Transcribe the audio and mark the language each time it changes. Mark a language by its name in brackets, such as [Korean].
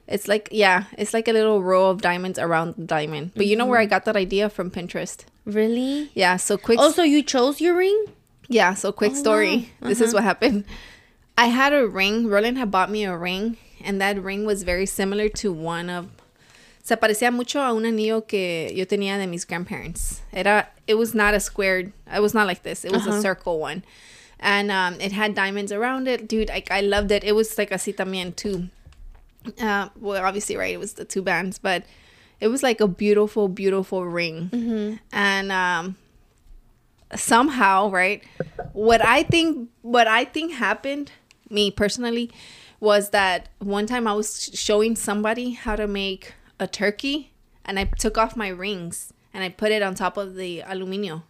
[English] It's like, yeah, it's like a little row of diamonds around the diamond. But mm-hmm. You know where I got that idea? From Pinterest. Really? Yeah. So quick. Also, you chose your ring? Yeah, so quick story. Wow. Uh-huh. This is what happened. I had a ring. Roland had bought me a ring. And that ring was very similar to one of... [Spanish] se parecía mucho a un anillo que yo tenía de mis [English] grandparents. [Spanish] Era, [English] it was not a squared, it was not like this, it was a circle one. And it had diamonds around it. Dude, I loved it. It was like [Spanish] así también [English] too. Well, obviously, right, it was the two bands, but it was like a beautiful, beautiful ring. Mm-hmm. And somehow, right, what I think happened, me personally, was that one time I was showing somebody how to make a turkey, and I took off my rings and I put it on top of the aluminio.